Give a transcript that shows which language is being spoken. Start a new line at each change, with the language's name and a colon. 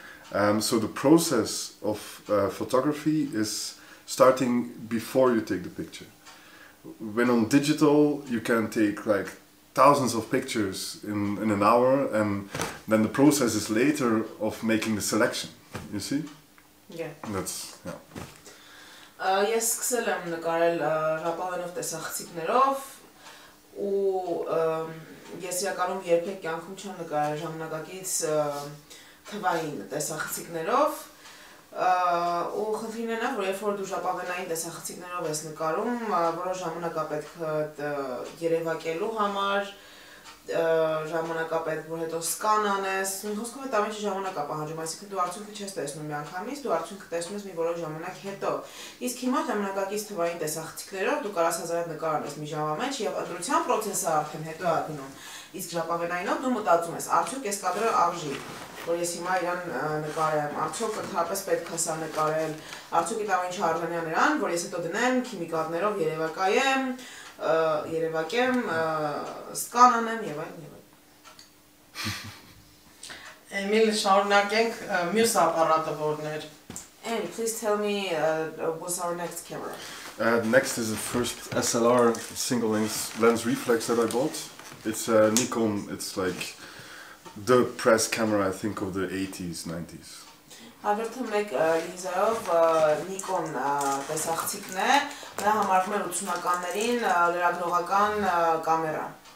English: So the process of photography is starting before you take the picture. When on digital, you can take like thousands of pictures in an hour, and then the process is later of making the selection, you see?
Armenian: Ես սկսել եմ նկարել ժապավենով տեսախցիկներով ու ես իրականում երբեք կյանքում չեմ նկարել ժամանակակից թվային տեսախցիկներով ու խնդիրն է, որ երբ որ դու ժապավենային տեսախցիկներով ես նկարում, որոշ ժամանակա պետք երևակելու համար, ժամանակա պետք որ հետո սկան անես, ու հոսքով հետ ամեն ինչ ժամանակա պահանջում, այսինքն դու արդյունքը չես տեսնում միանգամից, դու արդյունքը տեսնում ես մի որոշ ժամանակ հետո, իսկ հիմա ժամանակակից թվային տեսախցիկներով դու կարաս հազարավոր նկար անես մի ժամ ամեջ եւ ընտրության պրոցեսը արդեն հետո է գնում, իսկ ժապավենայինով դու մտածում ես, արդյոք ես կադրը արժի, որ ես հիմա իրան նկարեմ, արդյոք ընդհանրապես պետք է սա նկարել, արդյոք էլ ամեն ինչ արժանի նրան, որ ես հետո դնեմ քիմիկատներով երևակայեմ, երևակեմ, սկանանեմ եւ այլն եւ այլն։ Էմիլ, շարունակենք, մյուս ապարատը որն էր։
English: And please tell me what's our next camera? Next is the first SLR single lens reflex that I bought. It's a Nikon, it's like the press camera I think of the 80s, 90s.
Armenian: Հավերժում եք Լիզայով Nikon տեսախցիկն է, նա համարվում է 80-ականներին լրագրողական կամերա։